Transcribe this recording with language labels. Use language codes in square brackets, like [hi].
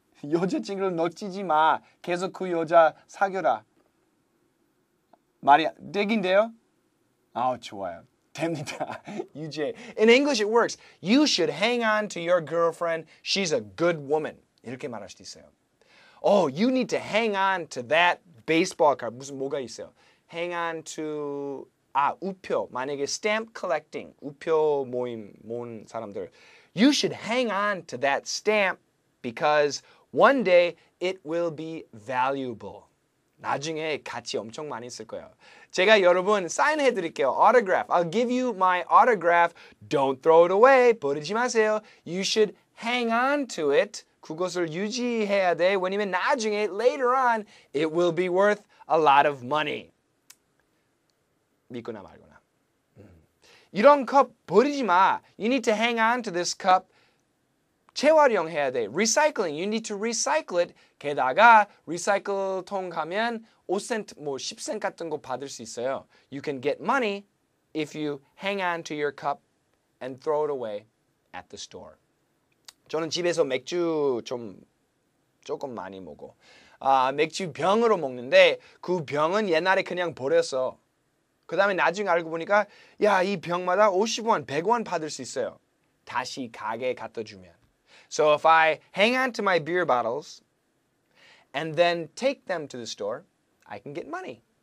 [ko] 여자친구를 놓치지 마. 계속 그 여자 사귀어라. 말이 되긴 돼요? 아우, 좋아요. 됩니다. 유지해. [en] In English it works. You should hang on to your girlfriend. She's a good woman. [ko] 이렇게 말할 수도 있어요. [en] Oh, you need to hang on to that baseball card. [ko] 무슨 뭐가 있어요? [en] Hang on to... [ko] 아, 우표. 만약에 stamp collecting. 우표 모임, 모은 사람들. [en] You should hang on to that stamp because one day it will be valuable. [ko] 나중에 가치 엄청 많이 있을 거예요. 제가 여러분 사인해드릴게요. [en] Autograph. I'll give you my autograph. Don't throw it away. [ko] 버리지 마세요. [en] You should hang on to it. [ko] 그것을 유지해야 돼. 왜냐면 나중에, [en] later on, it will be worth a lot of money. [ko] 믿거나 말거나. 이런 컵 버리지 마. [en] You need to hang on to this cup. [ko] 재활용해야 돼. Recycling. [en] You need to recycle it. [ko] 게다가 recycle 통 가면 5센트, 뭐 10센트 같은 거 받을 수 있어요. [en] You can get money if you hang on to your cup and throw it away at the store. [ko] 저는 집에서 맥주 좀 조금 많이 먹어. 아, 맥주 병으로 먹는데 그 병은 옛날에 그냥 버렸어. 그 다음에 나중에 알고 보니까 야, 이 병마다 50원, 100원 받을 수 있어요. 다시 가게에 갖다 주면. [en] So if I hang on to my beer bottles and then take them to the store, I can get money.